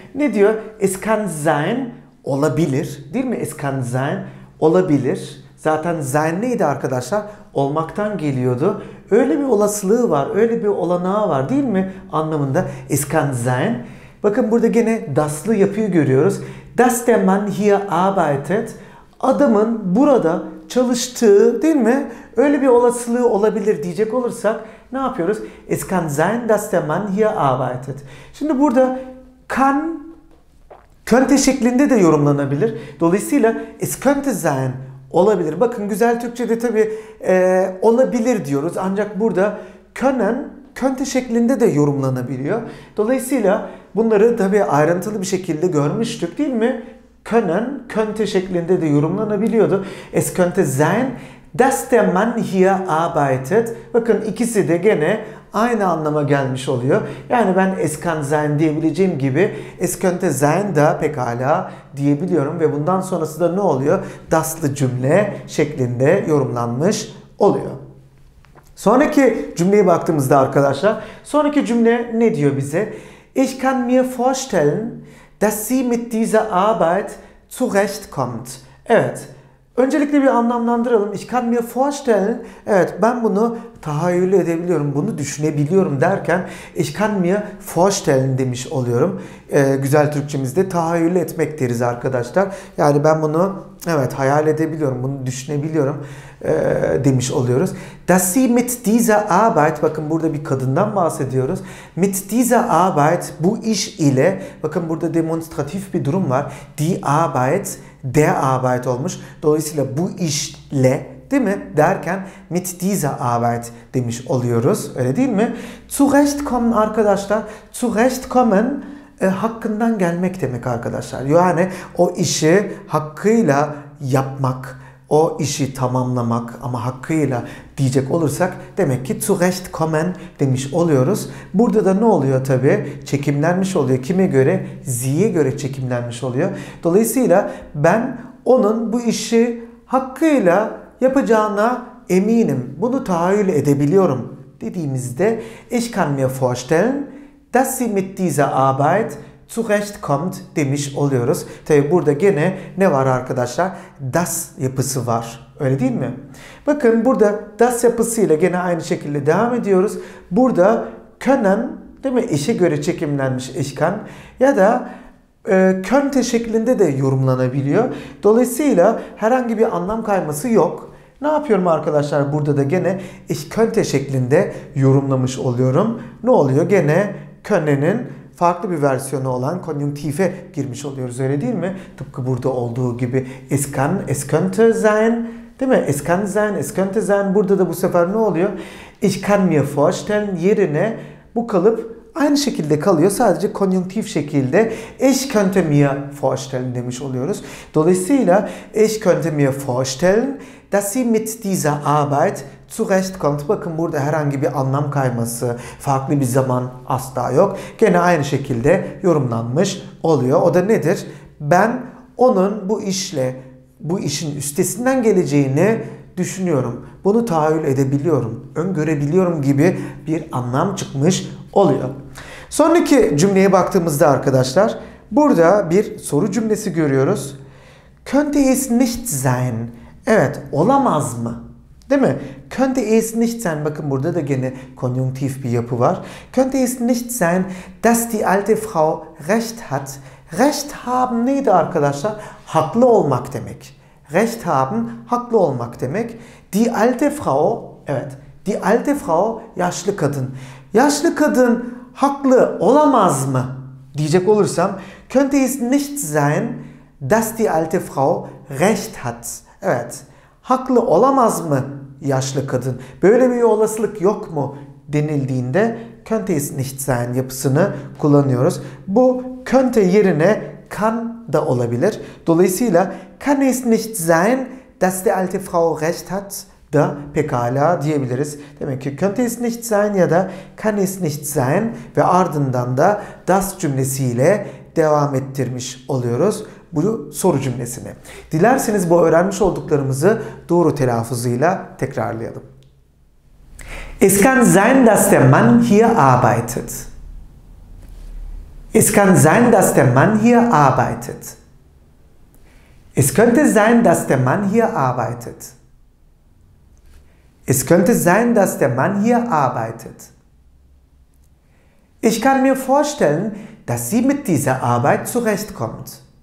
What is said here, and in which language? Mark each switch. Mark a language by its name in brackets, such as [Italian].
[Turkish] Ne diyor? [German] Es kann sein, [Turkish] olabilir. Değil mi? [German] Es kann sein, [Turkish] olabilir. Zaten sein neydi arkadaşlar? Olmaktan geliyordu. Öyle bir olasılığı var, öyle bir olanağı var, değil mi? Anlamında [German] es kann sein. [Turkish] Bakın burada gene daslı yapıyı görüyoruz. [German] Dass der Mann hier arbeitet. [Turkish] Adamın burada çalıştığı, değil mi? Öyle bir olasılığı olabilir diyecek olursak ne yapıyoruz? [German] Es kann sein, dass der Mann hier arbeitet. [Turkish] Şimdi burada kann, könnte şeklinde de yorumlanabilir. Dolayısıyla [German] es könnte sein, [Turkish] olabilir. Bakın güzel Türkçe'de tabii olabilir diyoruz. Ancak burada können, könnte şeklinde de yorumlanabiliyor. Dolayısıyla bunları tabii ayrıntılı bir şekilde görmüştük, değil mi? Können, könnte şeklinde de yorumlanabiliyordu. [German] Es könnte sein, dass der Mann hier arbeitet. [Turkish] Bakın ikisi de gene aynı anlama gelmiş oluyor. Yani ben [German] es kann sein [Turkish] diyebileceğim gibi [German] es könnte sein [Turkish] da pekala diyebiliyorum. Ve bundan sonrası da ne oluyor? Daslı cümle şeklinde yorumlanmış oluyor. Sonraki cümleye baktığımızda arkadaşlar, sonraki cümle ne diyor bize? [German] Ich kann mir vorstellen, dass sie mit dieser Arbeit zurechtkommt. [Turkish] Evet. Öncelikle bir anlamlandıralım. [German] Ich kann mir vorstellen. [Turkish] Evet, ben bunu tahayyül edebiliyorum, bunu düşünebiliyorum derken [German] ich kann mir vorstellen [Turkish] demiş oluyorum. Güzel Türkçemizde tahayyül etmek deriz arkadaşlar. Yani ben bunu evet hayal edebiliyorum, bunu düşünebiliyorum demiş oluyoruz. [German] Dass sie mit dieser Arbeit, [Turkish] bakın burada bir kadından bahsediyoruz. [German] Mit dieser Arbeit, [Turkish] bu iş ile, bakın burada demonstratif bir durum var. [German] Die Arbeit, der Arbeit [Turkish] olmuş. Dolayısıyla bu işle, değil mi? Derken [German] mit dieser Arbeit [Turkish] demiş oluyoruz. Öyle değil mi? Zurechtkommen arkadaşlar. Zurechtkommen hakkından gelmek demek arkadaşlar. Yani o işi hakkıyla yapmak, o işi tamamlamak ama hakkıyla diyecek olursak demek ki zurechtkommen demiş oluyoruz. Burada da ne oluyor tabii? Çekimlenmiş oluyor. Kime göre? Sie'ye göre çekimlenmiş oluyor. Dolayısıyla ben onun bu işi hakkıyla yapacağına eminim. Bunu tahayyül edebiliyorum dediğimizde [German] ich kann mir vorstellen, dass sie mit dieser Arbeit zurechtkommt [Turkish] demiş oluyoruz. Tabi burada gene ne var arkadaşlar? Das yapısı var. Öyle değil mi? Bakın burada das yapısıyla gene aynı şekilde devam ediyoruz. Burada können, değil mi? İşe göre çekimlenmiş ich kann ya da könnte şeklinde de yorumlanabiliyor. Dolayısıyla herhangi bir anlam kayması yok. Ne yapıyorum arkadaşlar? Burada da gene ich könnte şeklinde yorumlamış oluyorum. Ne oluyor? Gene können'in farklı bir versiyonu olan konjunktive girmiş oluyoruz, öyle değil mi? Tıpkı burada olduğu gibi [German] es kann, es könnte sein, [Turkish] değil mi? [German] Es kann sein, es könnte sein. [Turkish] Burada da bu sefer ne oluyor? [German] Ich kann mir vorstellen [Turkish] yerine bu kalıp aynı şekilde kalıyor. Sadece konjunktif şekilde [German] ich könnte mir vorstellen [Turkish] demiş oluyoruz. Dolayısıyla [German] ich könnte mir vorstellen, dass sie mit dieser Arbeit zurechtkommt. [Turkish] Bakın burada herhangi bir anlam kayması, farklı bir zaman asla yok. Gene aynı şekilde yorumlanmış oluyor. O da nedir? Ben onun bu işle, bu işin üstesinden geleceğini düşünüyorum. Bunu tahayyül edebiliyorum, öngörebiliyorum gibi bir anlam çıkmış oluyor. Sonraki cümleye baktığımızda arkadaşlar, burada bir soru cümlesi görüyoruz. [German] Könnte es nicht sein? [Turkish] Evet, olamaz mı? Değil mi? [German] Könnte es nicht sein? [Turkish] Bakın burada da gene konjunktif bir yapı var. [German] Könnte es nicht sein, dass die alte Frau recht hat? [Turkish] Recht haben neydi arkadaşlar? Haklı olmak demek. Recht haben, haklı olmak demek. [German] Die alte Frau, [Turkish] evet. [German] Die alte Frau, [Turkish] yaşlı kadın. Yaşlı kadın haklı olamaz mı? Diyecek olursam, [German] könnte es nicht sein, dass die alte Frau recht hat. [Turkish] Evet, haklı olamaz mı yaşlı kadın? Böyle bir olasılık yok mu denildiğinde könnte es nicht sein yapısını kullanıyoruz. Bu könnte yerine kann da olabilir. Dolayısıyla [German] kann es nicht sein, dass die alte Frau recht hat [Turkish] da pekala diyebiliriz. Demek ki [German] könnte es nicht sein [Turkish] ya da [German] kann es nicht sein [Turkish] ve ardından da das cümlesiyle devam ettirmiş oluyoruz bu soru cümlesini. Dilerseniz bu öğrenmiş olduklarımızı doğru telaffuzuyla tekrarlayalım. [German] Es kann sein, dass der Mann hier arbeitet. Es kann sein, dass der Mann hier arbeitet. Es könnte sein, dass der Mann hier arbeitet. Es könnte sein, dass der Mann hier arbeitet. Ich kann mir vorstellen, dass sie mit dieser Arbeit zurechtkommt.